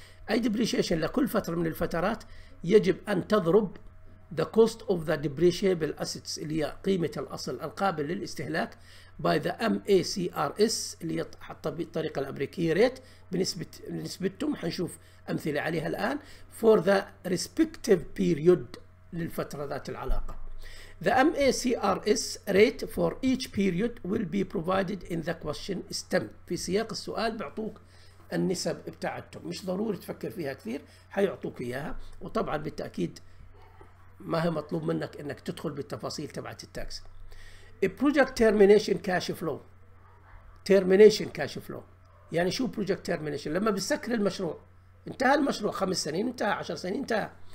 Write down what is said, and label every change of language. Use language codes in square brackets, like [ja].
[ar] اي depreciation لكل فترة من الفترات يجب أن تضرب [en] the cost of the depreciable assets [ar] اللي هي قيمة الأصل القابل للاستهلاك by the MACRS اللي هي الطريقة الأمريكية ريت بنسبتهم، حنشوف أمثلة عليها الآن، [en] for the respective period [ar] للفترة ذات العلاقة. [en] The MACRS rate for each period will be provided in the question stem. [ar] في سياق السؤال بيعطوك النسب بتاعتهم، مش ضروري تفكر فيها كثير، حيعطوك اياها. وطبعا بالتاكيد ما هي مطلوب منك انك تدخل بالتفاصيل تبعت التاكس. البروجكت تيرمينيشن كاش فلو، تيرمينيشن كاش فلو يعني شو بروجكت تيرمينيشن؟ لما بسكر المشروع، انتهى المشروع 5 سنين انتهى 10 سنين انتهى.